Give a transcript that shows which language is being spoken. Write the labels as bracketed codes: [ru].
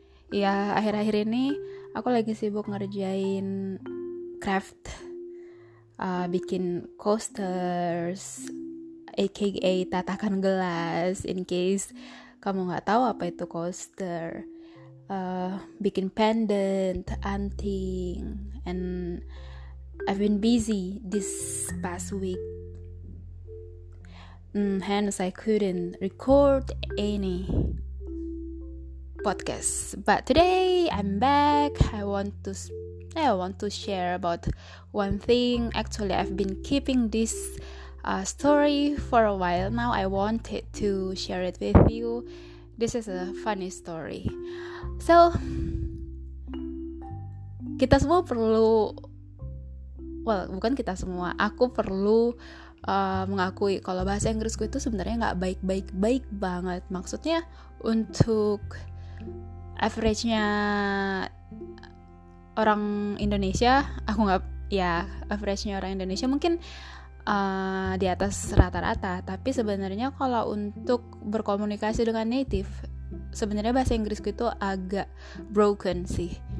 [id] Ya, akhir-akhir ini aku lagi sibuk ngerjain craft. Bikin coasters, aka tatakan gelas. [en] In case [id] kamu nggak tahu apa itu coaster. Bikin [en] pendant, anting, and I've been busy this past week. Hence, I couldn't record any podcast. But today, I'm back. I want to share about one thing. Actually, I've been keeping this story for a while. Now, I wanted to share it with you. This is a funny story. [id] So, kita semua perlu, well, bukan kita semua, aku perlu mengakui kalau bahasa Inggrisku itu sebenarnya gak baik-baik banget. Maksudnya, untuk average-nya orang Indonesia, average-nya orang Indonesia mungkin di atas rata-rata, tapi sebenarnya kalau untuk berkomunikasi dengan native, sebenarnya bahasa Inggrisku itu agak broken sih.